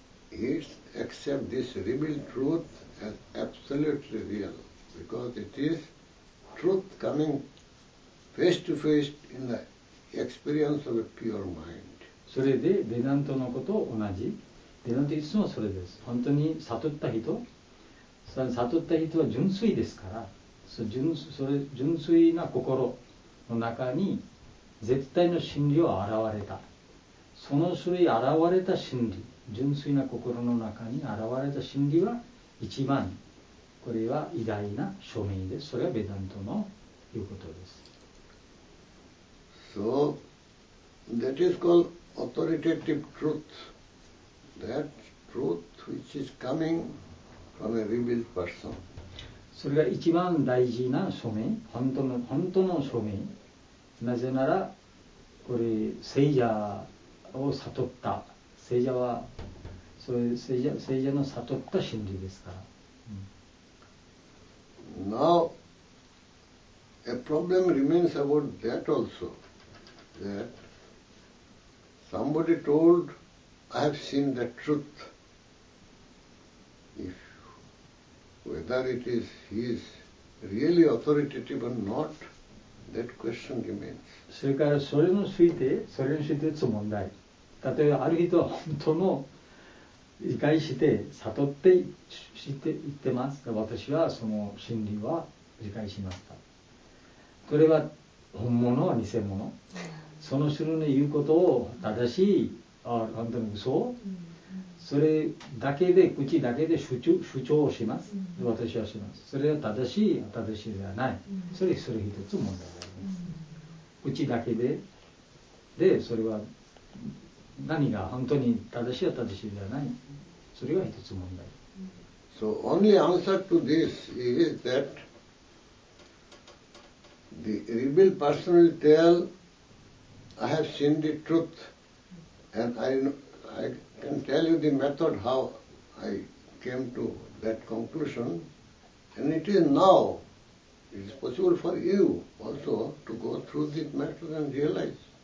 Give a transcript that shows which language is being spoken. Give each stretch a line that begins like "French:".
English: is accept this revealed truth as absolutely real, because it is truth coming face to face in the experience of a pure mind.
Japanese: それでベダントのこと同じ。ベダントいつもそれです。本当に悟った人、悟った人は純粋ですから、それ純粋な心の中に絶対の真理を現れた。その種類現れた真理、純粋な心の中に現れた真理は一番、これは偉大な証明です。それはベダントのいうことです。
English: So, that is called authoritative truth. That truth which is coming from a revealed person.
Japanese: それが一番大事な証明、本当の証明。なぜなら、これ、聖者を悟った。聖者は、そういう聖者の悟った真理ですから。
English: Now, a problem remains about that also, that somebody told, I have seen the truth. If, whether it is, he is really authoritative or not, that question remains.
Japanese: それからそれについてつ問題。例えばある人は本当の理解して悟って知って言ってます。私はその真理は理解しました。これは本物は偽物。その人の言うことを正しい、本当に嘘。それだけで、口だけで主張をします。私はします。それは正しい、正しいではない。それ一つ問題があります。口だけで、それは何が本当に正しい、正しいではない。それは一つ問題。
English: So, only answer to this is that the rebel person will tell, I have seen the truth and I can tell you the method how I came to that conclusion and it is now, it is possible for you also to go through this method and realize.